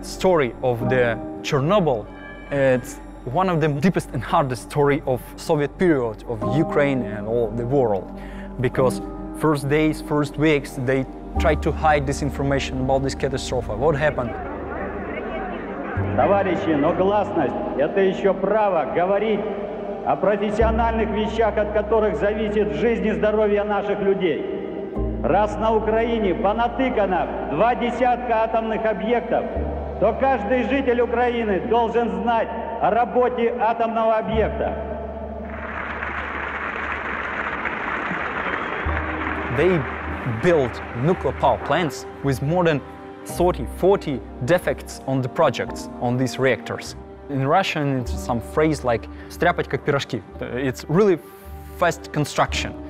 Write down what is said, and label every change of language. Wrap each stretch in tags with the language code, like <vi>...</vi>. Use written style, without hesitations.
<en>Story of the Chernobyl is one of the deepest and hardest story of Soviet period, of Ukraine and all the world. Because first days, first weeks, they tried to hide this information about this catastrophe. What happened?</en> <ru>Товарищи, но гласность – это еще право говорить о профессиональных вещах, от которых зависит жизнь и здоровье наших людей. Раз на Украине понатыкано два десятка атомных объектов, то каждый житель Украины должен знать о работе атомного объекта.</ru> <en>They built nuclear power plants with more than 30-40 defects on the projects, on these reactors. In Russian, it's some phrase like</en> <ru>«стряпать как пирожки».</ru> <en>It's really fast construction.</en>